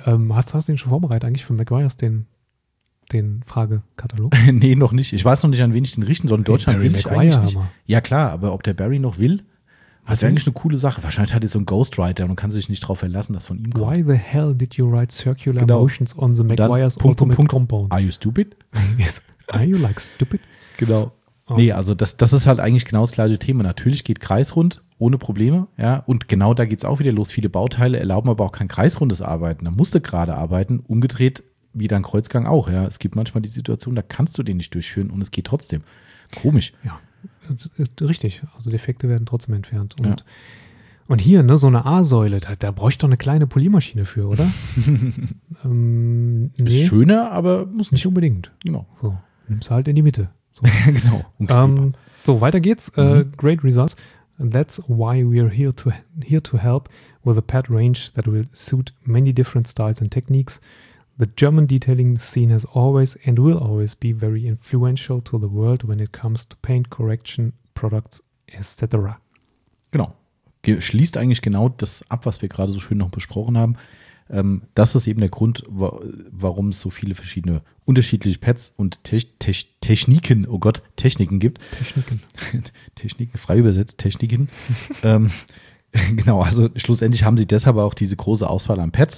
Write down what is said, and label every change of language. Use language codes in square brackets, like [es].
[de] Hast du den schon vorbereitet eigentlich für McGuire's, den Fragekatalog? Nee, noch nicht. Ich weiß noch nicht, an wen ich den richten soll. In Deutschland will ich eigentlich nicht. Ja klar, aber ob der Barry noch will, ist eigentlich eine coole Sache. Wahrscheinlich hat er so einen Ghostwriter und kann sich nicht darauf verlassen, dass von ihm kommt. [en] Why the hell did you write circular motions on the McGuire's ultimate compound? Are you stupid? Yes. Are you like stupid? [de] Genau. Nee, also das ist halt eigentlich genau das gleiche Thema. Natürlich geht kreisrund ohne Probleme, ja, und genau da geht es auch wieder los. Viele Bauteile erlauben aber auch kein kreisrundes Arbeiten. Da musst du gerade arbeiten, umgedreht wie dein Kreuzgang auch, ja. Es gibt manchmal die Situation, da kannst du den nicht durchführen und es geht trotzdem. Komisch. Ja, richtig. Also Defekte werden trotzdem entfernt. Und, ja. Und hier, ne, so eine A-Säule, da bräuchte ich doch eine kleine Poliermaschine für, oder? nee. Ist schöner, aber muss nicht unbedingt. Genau. So, nimm's halt in die Mitte. So. Genau. So, weiter geht's. [en] Great results. And that's why we're here to help with a pad range that will suit many different styles and techniques. The German detailing scene has always and will always be very influential to the world when it comes to paint correction products, etc. [de] Genau. Schließt eigentlich genau das ab, was wir gerade so schön noch besprochen haben. Das ist eben der Grund, warum es so viele verschiedene unterschiedliche Pads und Techniken, oh Gott, Techniken gibt. Techniken. Techniken, frei übersetzt, Techniken. genau, also schlussendlich haben sie deshalb auch diese große Auswahl an Pads.